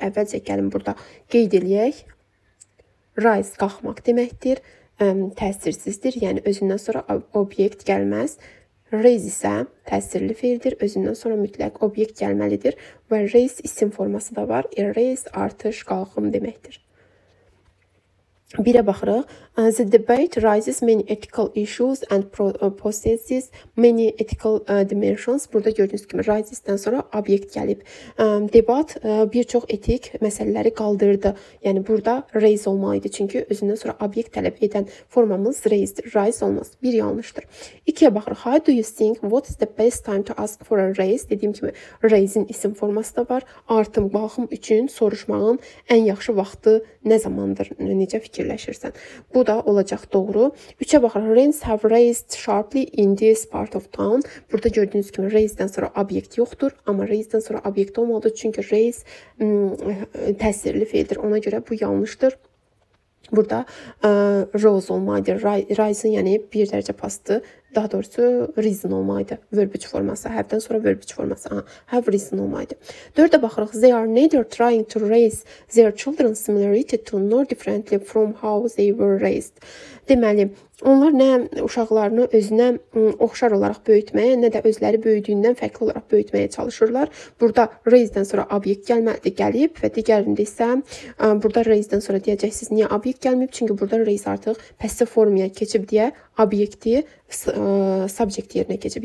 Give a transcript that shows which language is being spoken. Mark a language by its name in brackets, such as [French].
[Azerbaijani] Əvvəlcə gəlin burada qeyd eləyək. Rise qalxmaq deməkdir. Təsirsizdir. Yəni, özündən sonra obyekt gəlməz. Raise isə təsirli feildir. Özündən sonra mütləq obyekt gəlməlidir. Və raise isim forması da var. Raise artış qalxım deməkdir. Birə baxırıq. [English] The debate raises many ethical issues and possesses many ethical dimensions. [Azerbaijani] Burada gördüyünüz kimi raises-dən sonra obyekt gəlib. Debat bir çox etik məsələləri qaldırdı. Yəni, burada raise olmalıydı. Çünki özündən sonra obyekt tələb edən formamız raise-dir. Raise olmaz. Bir yanlışdır. İkiyə baxırıq. [English] How do you think? What is the best time to ask for a raise? [Azerbaijani] Dediyim kimi, raise-in isim forması da var. Artım, baxım üçün soruşmağın ən yaxşı vaxtı nə zamandır? Necə fikirləşirsən? Bu da olacaq doğru. 3-ə baxırıq. [English] Rents have raised sharply in this part of town. [Azerbaijani] Burada gördüyünüz kimi raise-dən sonra obyekt yoxdur. Amma raise-dən sonra obyekt olmalıdır. Çünki raise təsirli feildir. Ona görə bu yanlışdır. Burada rose olmalıdır. Rising, yəni bir dərəcə pastı. Daha doğrusu, reason olmalıdır. Verbic forması. Have-dən sonra verbic forması. Have reason olmalıdır. 4-ə baxırıq. [English] They are neither trying to raise their children similarly to nor differently from how they were raised. [Azerbaijani] Deməli, onlar nə uşaqlarını özünə oxşar olaraq böyütməyə, nə də özləri böyüdüyündən fərqli olaraq böyütməyə çalışırlar. Burada raise-dən sonra obyekt gəlməlidir, gəlib və digərində isə burada raise-dən sonra deyəcəksiniz, niyə obyekt gəlməyib? Çünki burada raise artıq passive formaya keçib deyə obyekti subject yerinə keçib.